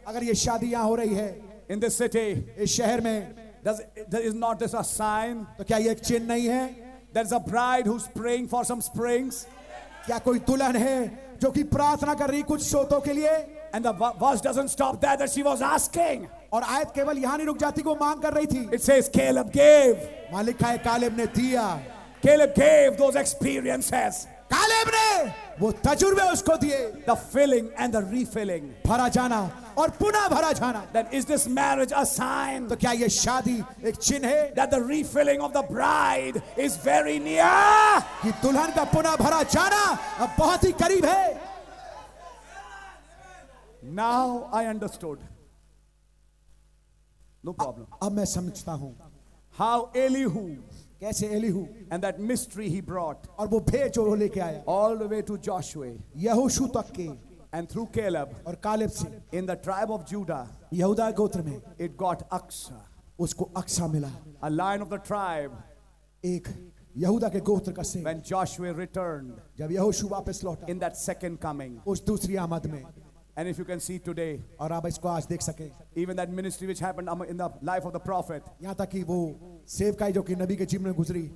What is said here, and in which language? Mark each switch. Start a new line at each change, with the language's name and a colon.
Hindi: अगर ये शादी यहाँ हो रही है,
English: in this city,
Hindi: इस शहर में,
English: is not this a sign?
Hindi: तो क्या ये एक चिन्ह नहीं है?
English: There's a bride who's praying for some springs.
Hindi: क्या कोई दुल्हन है जो कि प्रार्थना कर रही कुछ सोतों के लिए?
English: And the verse doesn't stop there, that she was asking.
Hindi: और आयत केवल यहाँ नहीं रुक जाती, को मांग कर रही थी.
English: It says Caleb gave.
Hindi: मालिक है कालेब ने दिया.
English: Caleb gave those experiences.
Hindi: Caleb ने वो तजुर्बे उसको दिए.
English: The filling and the refilling.
Hindi: भरा जाना और पुनः भरा जाना.
English: Then is this marriage a sign?
Hindi: तो क्या ये शादी एक चिन्ह है?
English: That the refilling of the bride is very near.
Hindi: कि दुल्हन का पुनः भरा जाना अब बहुत ही करीब है.
English: Now I understood. No problem.
Hindi: अब मैं समझता हूँ.
English: How Elihu?
Hindi: कैसे Elihu?
English: And that mystery he brought.
Hindi: और वो भेद जो लेके आया.
English: All the way to Joshua.
Hindi: यहोशू तक के.
English: And through Caleb,
Hindi: और कालेब से,
English: in the tribe of Judah,
Hindi: यहूदा गोत्र में,
English: it got Aksa,
Hindi: उसको अक्सा मिला,
English: a line of the tribe,
Hindi: एक यहूदा के गोत्र का से,
English: when Joshua returned,
Hindi: जब यहोशू वापस लौटा,
English: in that second coming,
Hindi: उस दूसरी आमद में,
English: and if you can see today,
Hindi: और आप इसको आज देख सके,
English: even that ministry which happened in the life of the prophet,
Hindi: यहाँ तक कि वो सेवकाई जो कि नबी के जीवन में गुजरी,